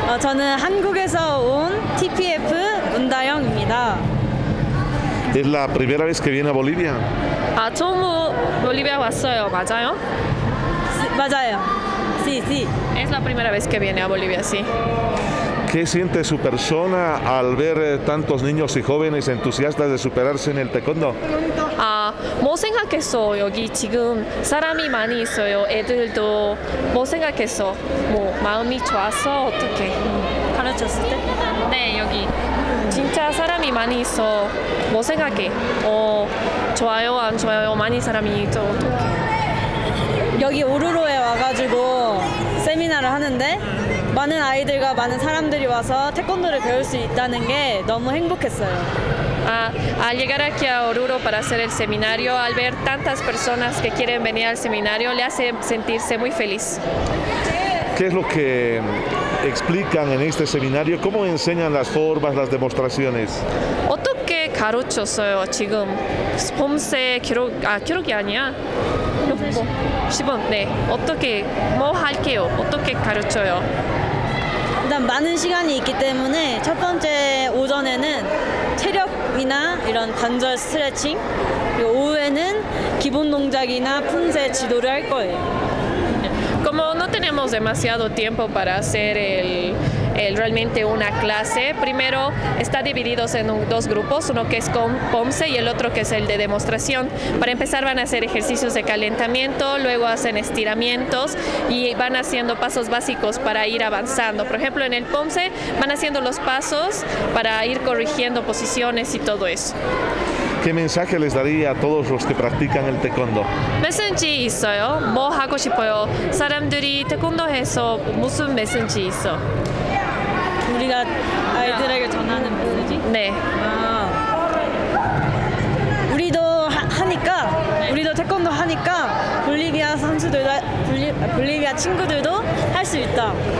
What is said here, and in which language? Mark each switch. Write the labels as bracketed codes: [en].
[ko] 저는 한국에서 온 TPF 문다영입니다. [es] ¿Es la primera vez que viene a Bolivia? [ko] Ah, 처음 Bolivia 왔어요, 맞아요? [es] Sí, [ko] 맞아요. [es] Sí, sí. Es la primera vez que viene a Bolivia, sí. ¿Qué siente su persona al ver tantos niños y jóvenes entusiastas de superarse en el taekwondo? [ko] Ah, 뭐 생각했어? 여기 지금 사람이 많이 있어요. 애들도 뭐 생각했어? 뭐 마음이 좋아서 어떻게 가르쳤을 때? 네, 여기 진짜 사람이 많이 있어. 뭐 생각해? 어, 좋아요, 안 좋아요? 많이 사람이 있어. 어떻게? 여기 우루루에 와가지고 세미나를 하는데 많은 아이들과 많은 사람들이 와서 태권도를 배울 수 있다는 게 너무 행복했어요. [es] Al llegar aquí a Oruro para hacer el seminario, al ver tantas personas que quieren venir al seminario, le hace sentirse muy feliz. ¿Qué es lo que explican en este seminario? ¿Cómo enseñan las formas, las demostraciones? [ko] 어떻게 가르쳤어요 지금? 봄새 기록 아 기록이 아니야. 10번. 네. 어떻게 뭐 할게요? 어떻게 가르쳐요? 일단 많은 시간이 있기 때문에 첫 번째 오전에는 체력이나 이런 관절 스트레칭, 그리고 오후에는 기본 동작이나 품새 지도를 할 거예요. [es] Como no tenemos demasiado tiempo para hacer realmente una clase, primero está dividido en dos grupos, uno que es con POMSE y el otro que es el de demostración. Para empezar van a hacer ejercicios de calentamiento, luego hacen estiramientos y van haciendo pasos básicos para ir avanzando. Por ejemplo, en el POMSE van haciendo los pasos para ir corrigiendo posiciones y todo eso. ¿Qué mensaje les daría a todos los que practican el taekwondo? [ko] Message 있어요. 뭐 하고 싶어요. 사람들이 태권도 해서 무슨 메시지 있어? 우리가 아이들에게 전하는 메시지? 네. 아. 우리도 하니까 우리도 태권도 하니까 볼리비아 선수들도 볼리비아 친구들도 할 수 있다.